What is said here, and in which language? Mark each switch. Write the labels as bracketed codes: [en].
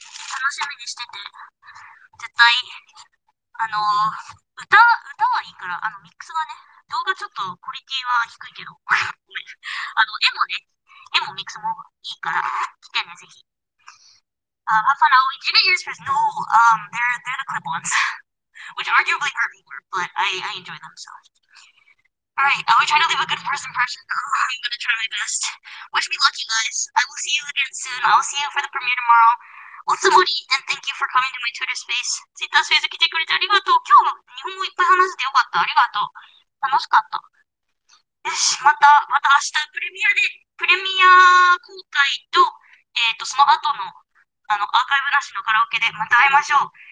[ja] 楽しみにしてて。絶対、歌はいいから、ミックスがね、動画ちょっとクオリティは低いけど、絵もね、絵もミックスもいいから、来てね、ぜひ。 [en] Have fun, Aoi. Did you get yours first? No, they're the clip ones. Which arguably hurt me more, but I enjoy them, so. Alright, I'm trying to leave a good first impression. I'm gonna try my best. Wish me luck, you guys. I will see you again soon. I'll see you for the premiere tomorrow. Otsumori, and thank you for coming to my Twitter space. [ja] Twitter space 来てくれてありがとう。今日日本語いっぱい話せてよかった。ありがとう。楽しかった。よし、また明日プレミア公開と、その後の、アーカイブなしのカラオケでまた会いましょう。